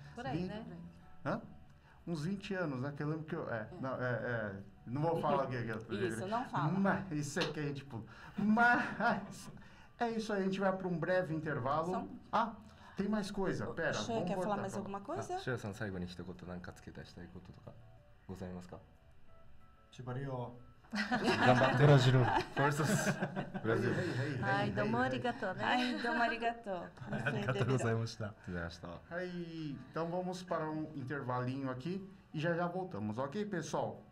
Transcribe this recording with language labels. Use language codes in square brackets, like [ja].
[pt] Por aí, né? Hã? uns 20 anos, né? Que eu lembro que eu... Não vou falar o que é. Isso, não fala. Mas, isso é que a gente pula. Mas, é isso aí. A gente vai para um breve intervalo. Tem mais coisa. Pera, vamos voltar. Quer falar mais alguma coisa? [ja] Shoya-san, 最後に一言何か付け足したいこととかございますか？縛りを。頑張ってブラジル。フォルソス。ブラジル。はい、どうもありがとうね。はい、どうもありがとう。ありがとうございました。ありがとうございました。 [pt] はい、então vamos para um intervalinho aqui e já já voltamos, ok, pessoal?